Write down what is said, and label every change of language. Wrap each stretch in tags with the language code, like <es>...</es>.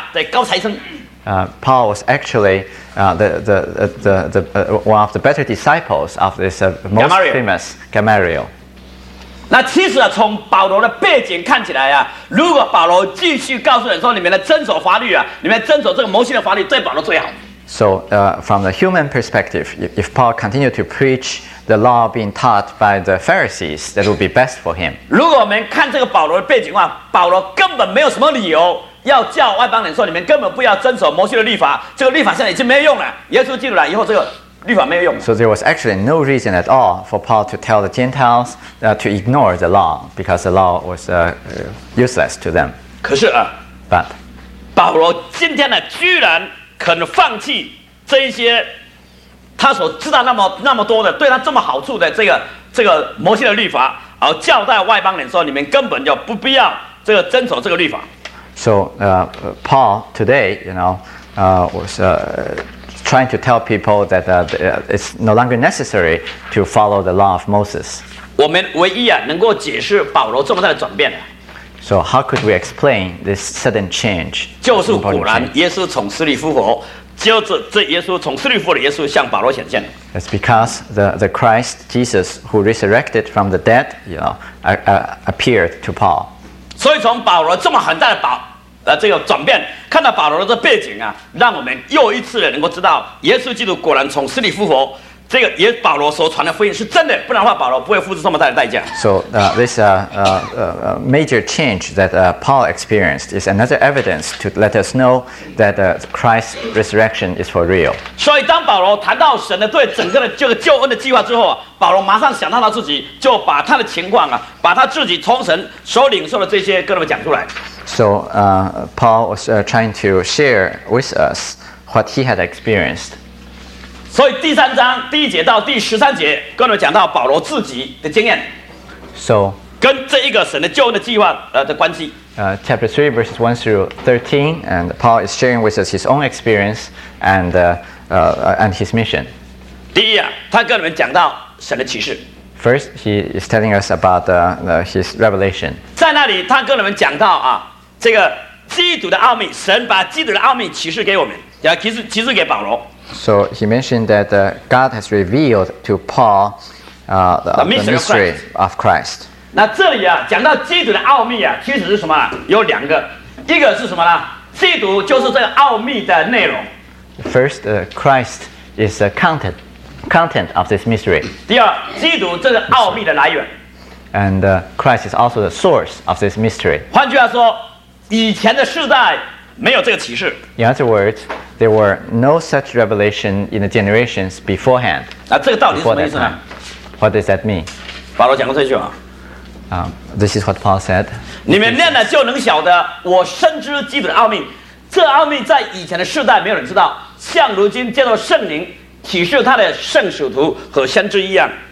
<en>Paul was actually one of the better disciples of this most famous Gamaliel.</en> <zh>那其实啊，从保罗的背景看起来啊，如果保罗继续告诉人说你们来遵守法律啊，你们来遵守这个摩西的法律，对保罗最好。</zh> <en>So, from the human perspective, if Paul continued to preach the law being taught by the Pharisees, that would be best for him.</en> <zh>如果我们看这个保罗的背景的话，保罗根本没有什么理由。要叫外邦人说你们根本不要遵守摩西的律法，这个律法现在已经没有用了。耶稣基督来以后，这个律法没有用。</zh> <en>So there was actually no reason at all for Paul to tell the Gentiles to ignore the law because the law was useless to them.</en> <zh>可是啊</zh> <en>，But</en> <zh>保罗今天呢，居然肯放弃这一些他所知道那么多的对他这么好处的这个摩西的律法，而教导外邦人说你们根本就不必要这个遵守这个律法。</zh> <en>So Paul today, you know, was trying to tell people that it's no longer necessary to follow the law of Moses.</en> <zh>我们唯一啊能够解释保罗这么大的转变。</zh> <en>So how could we explain this sudden change?</en> <zh>就是果然耶稣从死里复活，就是这耶稣从死里复活的耶稣向保罗显现。</zh> <en>It's because the Christ Jesus who resurrected from the dead, you know, appeared to Paul.</en> <zh>所以从保罗这么很大的这个转变，看到保罗的这背景啊，让我们又一次的能够知道，耶稣基督果然从死里复活，这个也保罗所传的福音是真的，不然的话保罗不会付出这么大的代价。</zh> <en>So this major change that Paul experienced is another evidence to let us know that Christ's resurrection is for real.</en> <zh>所以当保罗谈到神的对整个的这个救恩的计划之后啊，保罗马上想到他自己，就把他的情况啊，把他自己从神所领受的这些跟他们讲出来。</zh> <en>So Paul was trying to share with us what he had experienced.</en> <zh>所以第三章第一节到第十三节跟我们讲到保罗自己的经验</zh> <en>so,</en> <zh>跟这一个神的救恩的计划的关系</zh> <en>Chapter 3 verses 1 through 13 and Paul is sharing with us his own experience and his mission</en> <zh>第一啊他跟我们讲到神的启示</zh> <en>First he is telling us about his revelation</en> <zh>在那里他跟我们讲到啊这个基督的奥秘神把基督的奥秘启示给我们启示给保罗</zh> <en>So he mentioned that God has revealed to Paul the mystery of Christ.</en> <zh>那这里啊，讲到基督的奥秘啊，其实是什么呢？有两个，一个是什么呢？基督就是这个奥秘的内容。</zh> <en>First, Christ is the content of this mystery.</en> <zh>第二，基督这个奥秘的来源。</zh> <en>And Christ is also the source of this mystery.</en> <zh>换句话说，以前的世代。没有这个启示。</zh> <en>In other words, there were no such revelation in the generations beforehand.</en> <zh>那这个道理是什么意思呢</zh> <en>？What does that mean?</en> <zh>保罗讲过这句话。</zh> <en>This is what Paul said.</en> <zh>你们念了就能晓得，我深知基督的奥秘。这奥秘在以前的世代没有人知道，像如今借着圣灵启示他的圣使徒和先知一样。</zh>